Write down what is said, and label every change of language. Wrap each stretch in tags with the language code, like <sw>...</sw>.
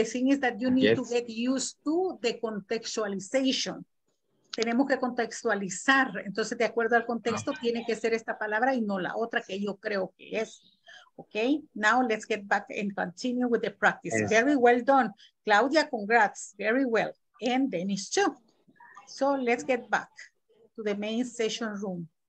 <en>The thing is that you need to get used to the contextualization.</en> <es>Tenemos que contextualizar. Entonces, de acuerdo al contexto, tiene que ser esta palabra y no la otra que yo creo que es.</es> <en>Okay, now let's get back and continue with the practice. Yes. Very well done. Claudia, congrats. Very well. And Dennis too. So let's get back to the main session room.</en>